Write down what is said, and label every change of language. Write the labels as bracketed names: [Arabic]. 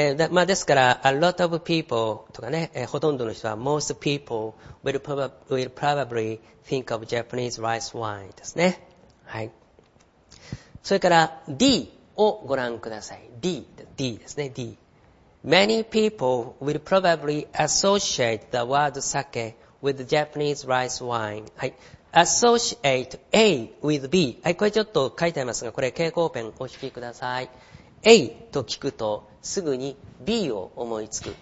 [Japanese] まあ、ですから [English] a lot of people [Japanese] とかね、ほとんどの人は [English] most people will probably think of Japanese rice wine ですね。はい。 [Japanese] それから D をご覧ください。 D ですね。D。 [English] Many people will probably associate the word sake with Japanese rice wine。はい。Associate A with B。 [Japanese] はい。これちょっと書いてありますが、これ蛍光ペンお引きください。 A と聞くとすぐに B を思いつく。